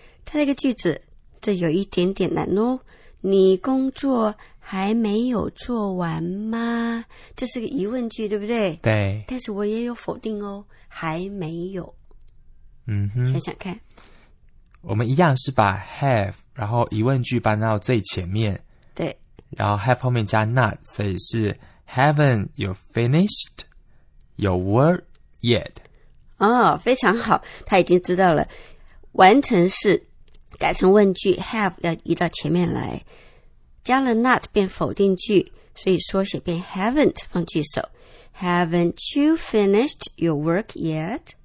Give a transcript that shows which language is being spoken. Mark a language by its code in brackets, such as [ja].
[zh] 它的一个句子，这有一点点难哦，你工作还没有做完吗？这是个疑问句，对不对？对。但是我也有否定哦，还没有。嗯哼。想想看。我们一样是把 have， 然后疑问句搬到最前面。对。然后 have 后面加 not， 所以是 [en] haven't you finished your work yet？ [zh] 哦，非常好，他已经知道了，完成式。改成问句 have 要移到前面来，加了 not 变否定句，所以缩写变 haven't 放句首。 [en] Haven't you finished your work yet?